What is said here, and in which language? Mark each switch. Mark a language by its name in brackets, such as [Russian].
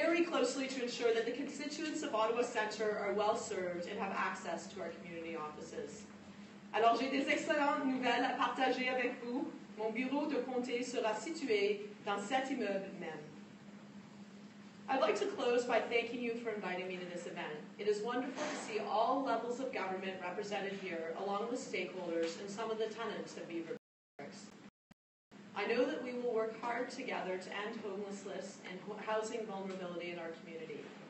[English] Closely to ensure that the constituents of Ottawa Centre are well served and have access to our community offices. [French] Alors, j'ai des excellentes nouvelles à partager avec vous. Mon bureau de comté sera situé dans cet immeuble même. [English] I'd like to close by thanking you for inviting me to this event. It is wonderful to see all levels of government represented here, along with stakeholders and some of the tenants of Beaver Barracks. I know that we will work hard together to end homelessness and housing vulnerability in our community.